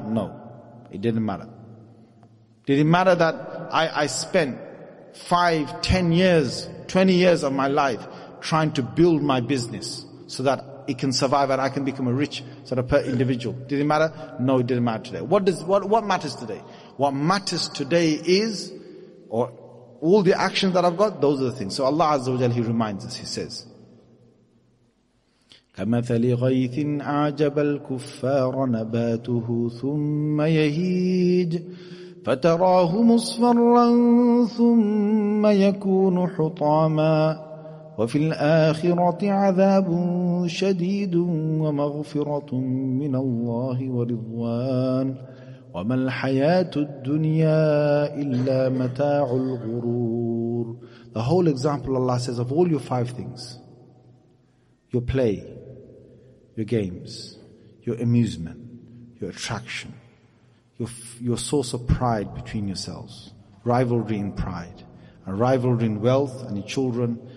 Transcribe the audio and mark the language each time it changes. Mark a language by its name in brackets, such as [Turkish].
[English] No, it didn't matter. Did it matter that I spent 5, 10 years, 20 years of my life trying to build my business so that it can survive and I can become a rich sort of per individual? Did it matter? No, it didn't matter today. What matters today? What matters today is, or all the actions that I've got, those are the things. So Allah Azza wa Jalla, He reminds us, He says, [Arabic] كمثل غيث أعجب الكفار نباته ثم يهيج فتراه مصفرا ثم يكون حطاما وفي الآخرة عذاب شديد ومغفرة من الله ورضوان وما الحياة الدنيا إلا متاع الغرور. [English] The whole example Allah says of all your five things, your play, your games, your amusement, your attraction, your source of pride between yourselves, rivalry in pride, a rivalry in wealth and in children.